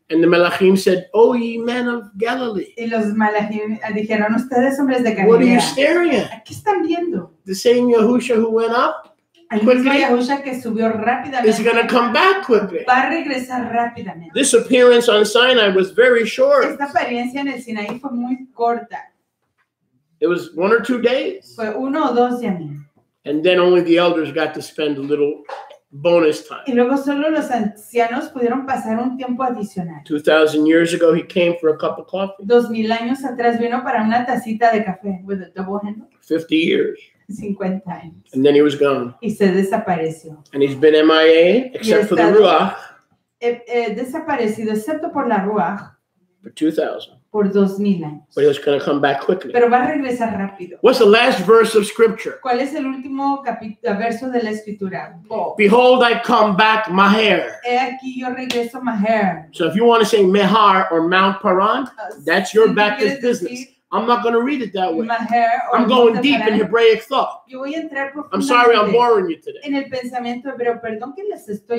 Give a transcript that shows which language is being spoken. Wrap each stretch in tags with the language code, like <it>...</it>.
<en>And the Malachim said, "Oh, ye men of Galilee."</en> <es>Y los Malachim dijeron, ustedes hombres de Galilea.</es> <en>What are you staring at?</en> <es>¿A qué están viendo?</es> <en>The same Yahushua who went up. It's going to come back quickly.</en> <es>Va a regresar rápidamente.</es> <en>This appearance on Sinai was very short.</en> <es>Esta apariencia en el Sinaí fue muy corta.</es> <en>It was one or two days.</en> <es>Fue uno o dos días.</es> <en>And then only the elders got to spend a little bonus time.</en> <es>Y luego solo los ancianos pudieron pasar un tiempo adicional.</es> <en>2,000 years ago, he came for a cup of coffee.</en> <es>2,000 años atrás vino para una tacita de café.</es> <en>With a double handle. 50 years.</en> <es>50 años.</es> <en>And then he was gone.</en> <es>Y se desapareció.</es> <en>And he's been MIA, except for the Ruach.</en> <es>Desaparecido, excepto por la Ruach.</es> <en>For 2,000.</en> <es>Por 2,000 años.</es> <en>But he was going to come back quickly.</en> <es>Pero va a regresar rápido.</es> <en>What's the last verse of Scripture?</en> <es>¿Cuál es el último verso de la Escritura?</es> <en>Behold, I come back, maher.</en> <es>He aquí, yo regreso, maher.</es> <en>So if you want to say mehar or Mount Paran, that's your Baptist business. I'm not going to read it that way. I'm going deep in Hebraic thought. I'm sorry I'm boring you today.</en> <es>En el pensamiento hebreo, perdón que les estoy.</es>